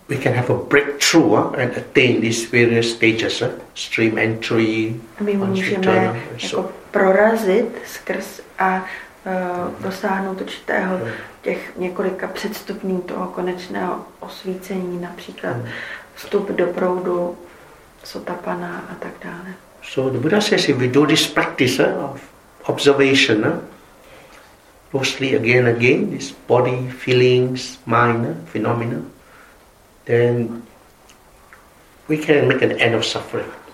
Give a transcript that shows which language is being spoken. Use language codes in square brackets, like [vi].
[en] We can have a breakthrough and attain these various stages, stream entry. [cs] My můžeme prorazit skrz a dosáhnout určitého těch několika předstupňů toho konečného osvícení, například vstup do proudu sotapana a tak dále. [en] So the Buddha says, if we do this practice of observation, closely again, this body, feelings, mind, phenomena, then we can make an end of suffering.